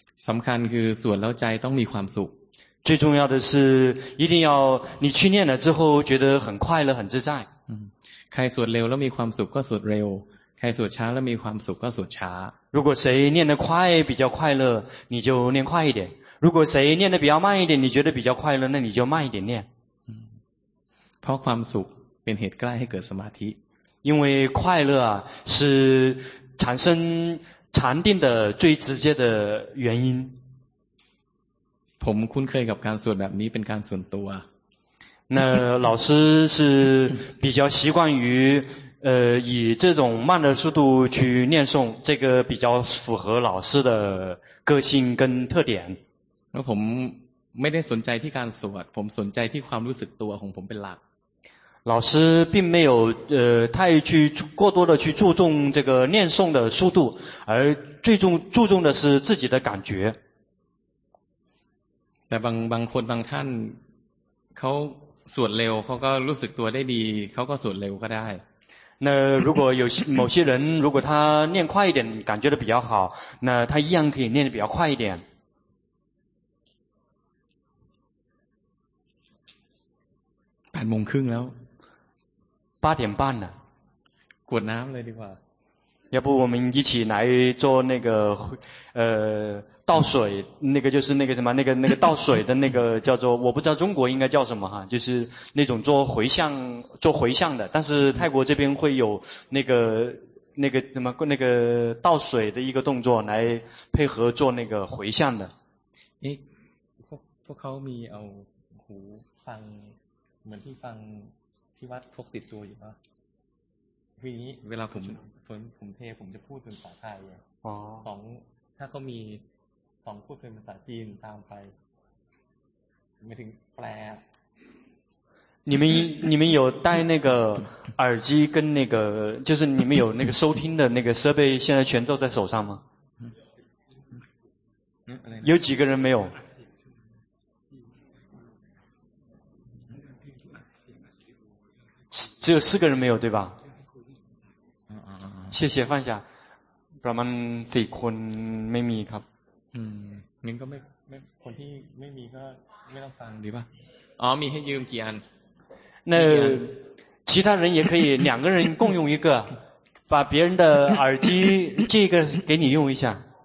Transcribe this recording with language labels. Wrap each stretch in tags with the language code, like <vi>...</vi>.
<th>สำคัญคือสวดแล้วใจต้องมีความสุข</th> <zh>最重要的是一定要你去念了之后觉得很快乐很自在</zh> <th>ใครสวดเร็วแล้วมีความสุขก็สวดเร็วใครสวดช้าแล้วมีความสุขก็สวดช้า</th> <zh>如果谁念得快比较快乐你就念快一点如果谁念得比较慢一点你觉得比较快乐那你就慢一点念</zh> <th>เพราะความสุขเป็นเหตุใกล้ให้เกิดสมาธิ</th> <zh>因为快乐啊是产生禅定的最直接的原因</zh> <th>ผมคุ้นเคยกับการสวดแบบนี้เป็นการส่วนตัว</th> <zh>那老师是比较习惯于以这种慢的速度去念诵这个比较符合老师的个性跟特点</zh> <th>แล้วผมไม่ได้สนใจที่การสวดผมสนใจที่ความรู้สึกตัวของผมเป็นหลัก</th> <zh>老师并没有太去过多的去注重这个念诵的速度而最重注重的是自己的感觉</zh> <th>แต่บางคนบางท่านเขาสวดเร็วเขาก็รู้สึกตัวได้ดีเขาก็สวดเร็วก็ได้</th> <zh>那如果有某些人如果他念快一点感觉得比较好那他一样可以念得比较快一点</zh> <th>8โมงครึ่งแล้ว</th> <zh>8点半了</zh> <th>กวดน้ำเลยดีกว่า</th> <zh>要不我们一起来做那个倒水那个就是那个什么那个倒水的那个叫做我不知道中国应该叫什么哈就是那种做回向的但是泰国这边会有那个什么那个倒水的一个动作来配合做那个回向的</zh> <th>诶พวกเขามีเอาหูฟังเหมือนที่ฟังที่วัดพกติดตัวอยู่ป่ะคืออย่างนี้เวลาผมเทผมจะพูดเป็นภาษาไทยไงของถ้าเขามีสองพูดเป็นภาษาจีนตามไปไม่ถึงแปล</th> <zh>你们有带那个耳机跟那个就是你们有那个收听的那个设备现在全都在手上吗有几个人没有只有四个人没有对吧谢谢放下</zh> <th>ประมาณสี่คนไม่มีครับ งั้นก็ไม่คนที่ไม่มีก็ไม่ต้องฟังดีป่ะ อ๋อมีให้ยืมกี่อัน</th> <zh>那其他人也可以两个人共用一个把别人的耳机这个给你用一下</zh>